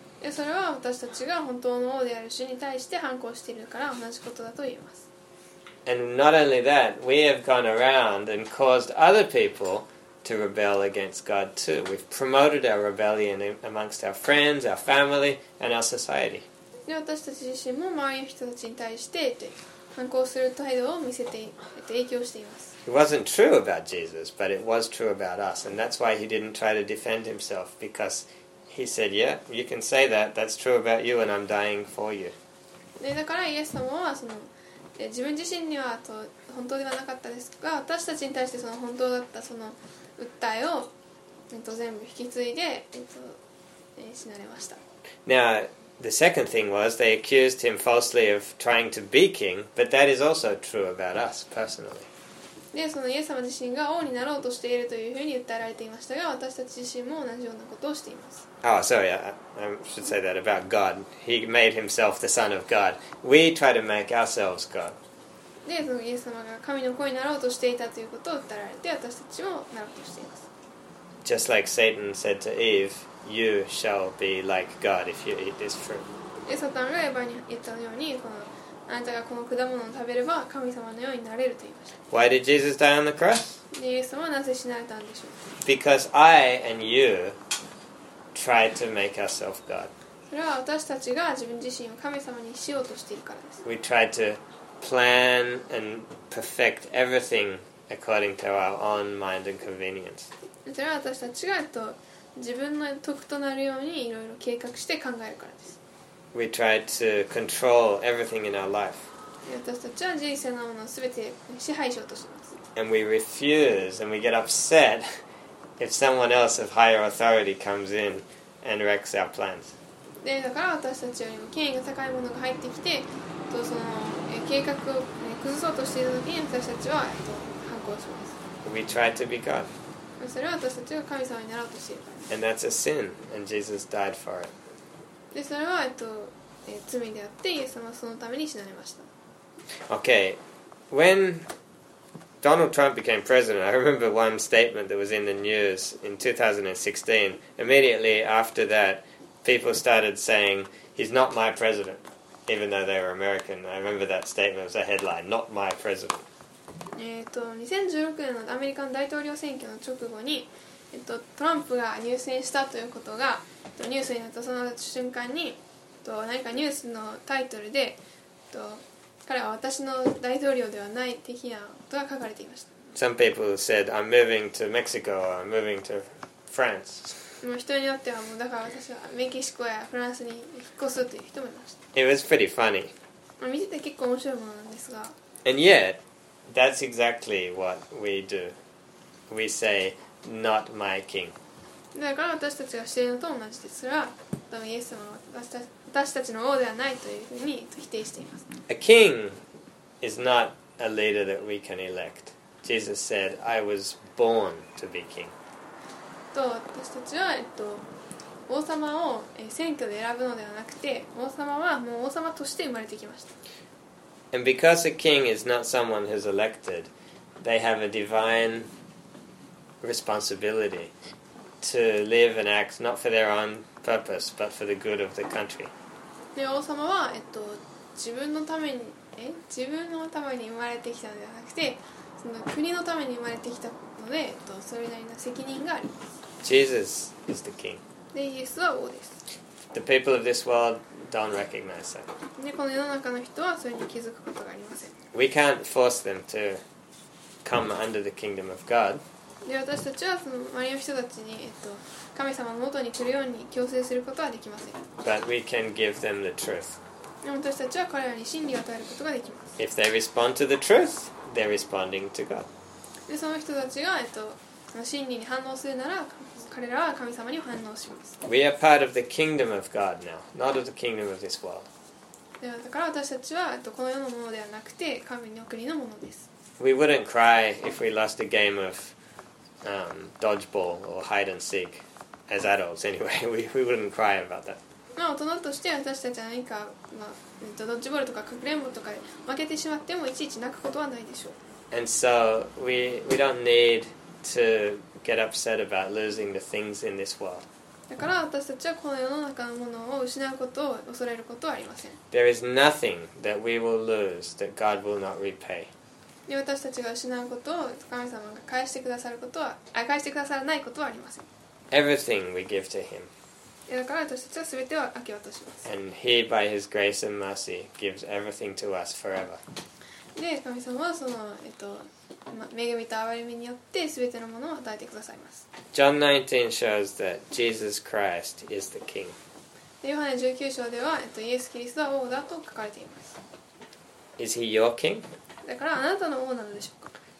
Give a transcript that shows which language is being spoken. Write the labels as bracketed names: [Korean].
[Japanese] それは私たちが本当の王である主に対して反抗しているから同じことだと言えます。 [English] And not only that, we have gone around and caused other people to rebel against God too. We've promoted our rebellion amongst our friends, our family, and our society. [Japanese] 私たち自身も周りの人たちに対して反抗する態度を見せて影響しています。 [English] It wasn't true about Jesus, but it was true about us. And that's why he didn't try to defend himself, because he said, yeah, you can say that, that's true about you, and I'm dying for you. [Japanese] だからイエス様はその自分自身には本当ではなかったですが、私たちに対してその本当だったその訴えを全部引き継いで死なれました。 [English] Now, the second thing was they accused him falsely of trying to be king, but that is also true about us personally. [Japanese] でそのイエス様自身が王になろうとしているというふうに訴えられていましたが、私たち自身も同じようなことをしています。 [English] Oh, so yeah, I should say that about God. He made himself the Son of God. We try to make ourselves God. [Japanese] でそのイエス様が神の子になろうとしていたということを訴えられて、私たちもなろうとしています。 [English] Just like Satan said to Eve, "You shall be like God if you eat this fruit." [Japanese] でサタンがエヴァに言ったようにこのあなたがこの果物を食べれば神様のようになれると言いました。 [English] Why did Jesus die on the cross? [Japanese] イエス様はなぜ死なれたんでしょう。 [English] Because I and you tried to make ourselves God. [Japanese] それは私たちが自分自身を神様にしようとしているからです。 [English] We tried to plan and perfect everything according to our own mind and convenience. [Japanese] それは私たちが自分の得となるようにいろいろ計画して考えるからです。 [English] We tried to control everything in our life. [Japanese] 私たちは人生のものを全て支配しようとします。 [English] And we refuse and we get upset if someone else of higher authority comes in and wrecks our plans. [Japanese] で、だから私たちよりも権威が高いものが入ってきて、その計画を崩そうとしている時に私たちは反抗します。 [English] We tried to be God. [Japanese] それは私たちが神様になろうとしている。 [English] And that's a sin and Jesus died for it. [Japanese] でそれは罪であってイエス様はそのために死なれました。 [English] Okay, when Donald Trump became president, I remember one statement that was in the news in 2016. Immediately after that, people started saying, "He's not my president," even though they were American. I remember that statement was a headline, "Not my president." [Japanese] 2016年のアメリカの大統領選挙の直後に、トランプが入選したということがニュースになったその瞬間に何かニュースのタイトルで彼は私の大統領ではない的なことが書かれていました。 [English] Some people said, "I'm moving to Mexico," or "I'm moving to France." [Japanese] もう人によってはもうだから私はメキシコやフランスに引っ越すという人もいました。 [English] It was pretty funny. [Japanese] 見てて結構面白いものなんですが。 [English] And yet, that's exactly what we do. We say, "Not my king." [Japanese] だから私たちがしているのと同じですが、イエス様は私たちの王ではないというふうに否定しています。 [English] A king is not a leader that we can elect. Jesus said, "I was born to be king." [Japanese] と私たちは王様を選挙で選ぶのではなくて、王様はもう王様として生まれてきました。 [English] And because a king is not someone who's elected, they have a divine responsibility. To live and act not for their own purpose, but for the good of the country. [Japanese] で、王様は自分のために自分のために生まれてきたのではなくて、その国のために生まれてきたので、それなりの責任があります。 [English] Jesus is the king. [Japanese] で、イエスは王です。 [English] The people of this world don't recognize it. [Japanese] ね、この世の中の人はそれに気づくことがありません。 [English] We can't force them to come under the kingdom of God. [Japanese] で、私たちはその周りの人たちに、神様の元に来るように強制することはできません。 [English] But we can give them the truth. [Japanese] で、私たちは彼らに真理を与えることができます。 [English] If they respond to the truth, they're responding to God. [Japanese] で、その人たちが、その真理に反応するなら、彼らは神様に反応します。 [English] We are part of the kingdom of God now, not of the kingdom of this world. [Japanese] で、だから私たちは、この世のものではなくて、神の国のものです。 [English] We wouldn't cry if we lost a game of dodgeball or hide and seek as adults anyway. We wouldn't cry about that. [Japanese] まあ大人として私たちは何か、ドッジボールとかかくれんぼとかで負けてしまってもいちいち泣くことはないでしょう。 [English] And so we don't need to get upset about losing the things in this world. [Japanese] だから私たちはこの世の中のものを失うことを恐れることはありません。 [English] There is nothing that we will lose that God will not repay. [Japanese] で、私たちが失うことを神様が返してくださることは、返してくださらないことはありません。 [English] Everything we give to him. [Japanese] だから私たちは全てを明け渡します。 [English] And he, by his grace and mercy, gives everything to us forever. [Japanese] で、神様はその、恵みと憐れみによって全てのものを与えてくださいます。 [English] John 19 shows that Jesus Christ is the king. [Japanese] で、ヨハネ19章では、イエス・キリストは王だと書かれています。 [English] Is he your king? [Japanese] だからあなたの王なのでしょうか?